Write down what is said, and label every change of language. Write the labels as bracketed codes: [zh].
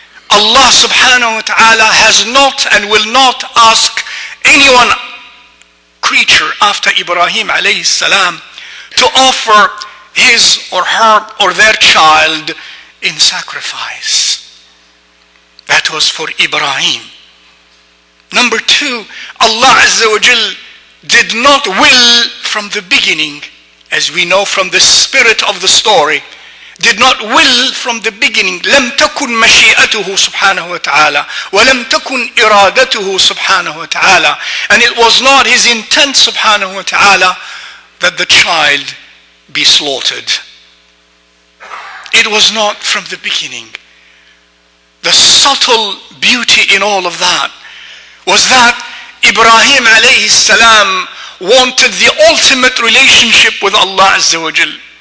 [en] Allah subhanahu wa ta'ala has not and will not ask anyone, creature after Ibrahim alayhi salam, to offer his or her or their child in sacrifice. That was for Ibrahim. Number two, Allah Azza wa Jal did not will from the beginning, as we know from the spirit of the story, did not will from the beginning. [ar] لم تكن مشيئته سبحانه وتعالى ولم تكن إرادته سبحانه وتعالى. [en] And it was not his intent سبحانه وتعالى that the child be slaughtered. It was not from the beginning. The subtle beauty in all of that was that Ibrahim alayhi salam wanted the ultimate relationship with Allah Azza wa Jal.